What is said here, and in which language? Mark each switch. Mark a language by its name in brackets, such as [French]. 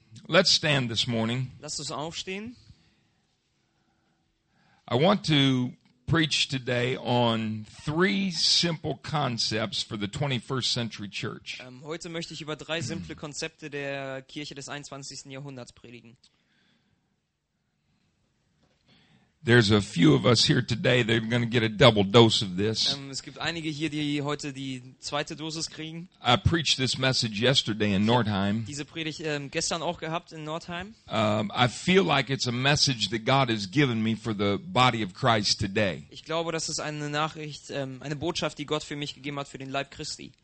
[English] Let's stand this morning. [German] Lass uns aufstehen. [English] I want to preach today on three simple concepts for the 21st century church. [German] Heute möchte ich über drei simple Konzepte der Kirche des 21. Jahrhunderts predigen. [English] There's a few of us here today, they're going to get a double dose of this. [German] Es gibt einige hier, die heute die zweite Dosis kriegen. [English] I preached this message yesterday in Nordheim. [German] Diese Predigt gestern auch gehabt in Nordheim. [English] I feel like it's a message that God has given me for the body of Christ today. [German] Ich glaube, das ist eine Nachricht, eine Botschaft, die Gott für mich gegeben hat, für den Leib Christi.